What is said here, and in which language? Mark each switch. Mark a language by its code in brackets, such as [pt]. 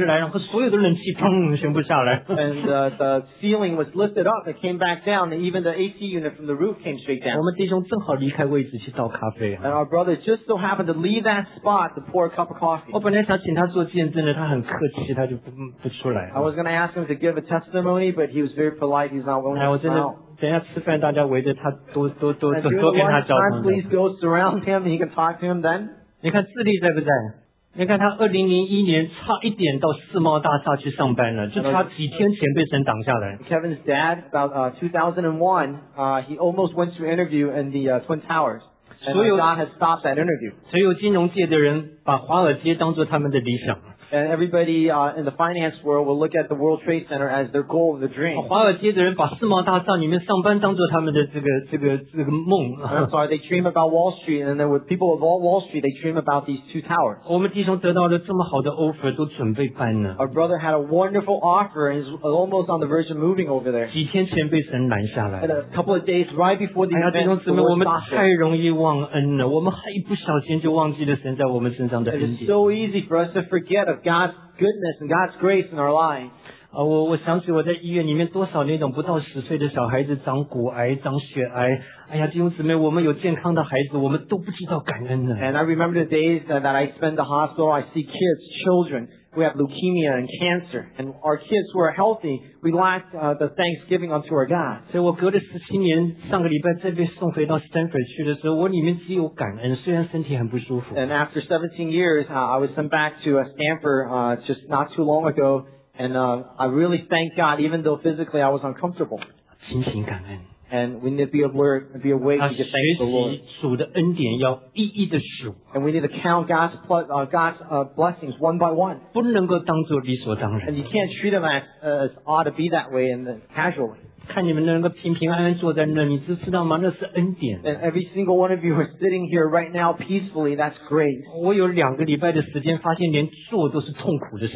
[zh] 整个天花板被掀起来，然后再回来，然后所有的冷气砰全部下来。 [en] And the ceiling was lifted up, it came back down, and even the AC unit from the roof came straight down. [zh] 我们弟兄正好离开位置去倒咖啡。 [en] And our brother just so happened to leave that spot to pour a cup of coffee. [zh] 我本来想请他做见证的，他很客气，他就不出来。 [en] I was going to ask him to give a testimony, but he was very polite, he's not willing to smile. [zh] 等一下吃饭，大家围着他多跟他交谈。 [en] And if you want, please go surround him and you can talk to him then. [zh] 你看智利在不在？你看他2001年差一点到世贸大厦去上班了，就差几天前被神挡下来。 [en] Kevin's dad, about 2001, he almost went to interview in the Twin Towers. And God has stopped that interview. [zh] 所有金融界的人把华尔街当作他们的理想。 [en] And everybody in the finance world will look at the World Trade Center as their goal and their dream. [zh] 华尔街的人把世贸大厦里面上班当做他们的这个梦。 [en] I'm sorry, they dream about Wall Street, and then with people of all Wall Street, they dream about these two towers. [zh] 我们弟兄得到了这么好的 offer, 都准备搬了。 [en] Our brother had a wonderful offer, and he's almost on the verge of moving over there. [zh] 几天前被神拦下来。 [en] And a couple of days right before the event, [zh] 弟兄姊妹，我们太容易忘恩了，我们还一不小心就忘记了神在我们身上的恩典。 [en] It's so easy for us to forget of God's goodness and God's grace in our lives. [zh] 我想起我在医院里面多少那种不到十岁的小孩子长骨癌、长血癌。哎呀，弟兄姊妹，我们有健康的孩子，我们都不知道感恩呢。 [en] And I remember the days that I spent the hospital. I see kids, children. We have leukemia and cancer, and our kids who are healthy. We lack the thanksgiving unto our God. [zh] 所以我隔了十七年，上个礼拜再被送回到 Stanford 去的时候，我里面只有感恩，虽然身体很不舒服。 [en] And after 17 years, I was sent back to Stanford just not too long ago, and I really thank God, even though physically I was uncomfortable. [zh] 勤勤感恩。 [en] And we need to be awake to thank the Lord. [zh] 主的恩典要一一的数。 [en] And we need to count God's blessings one by one. [zh] 不能够当作理所当然。 [en] And you can't treat them as ought to be that way and casually. [zh] 看你们能够平平安安坐在那，你知道吗？那是恩典。 [en] And every single one of you are sitting here right now peacefully. That's great. [zh] 我有两个礼拜的时间，发现连坐都是痛苦的事。